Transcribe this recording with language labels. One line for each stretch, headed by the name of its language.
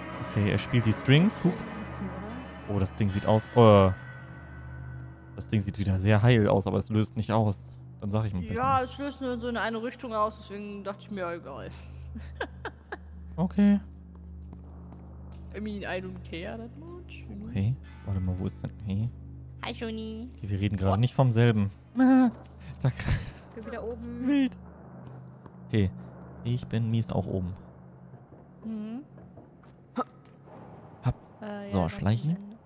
German: Okay, er spielt die Strings. Huch. Oh, das Ding sieht aus. Oh. Das Ding sieht wieder sehr heil aus, aber es löst nicht aus. Dann sag ich mal besser. Ja, es löst nur so in eine Richtung aus, deswegen dachte ich mir, egal. Okay.
English: I mean, I don't care that much.
German: Okay, warte mal, wo ist denn? Hey. Hi, Joni. Okay, wir reden gerade nicht vom selben. Ich bin wieder oben. Wild. Okay, ich bin mies auch oben. So, ja, schleichen.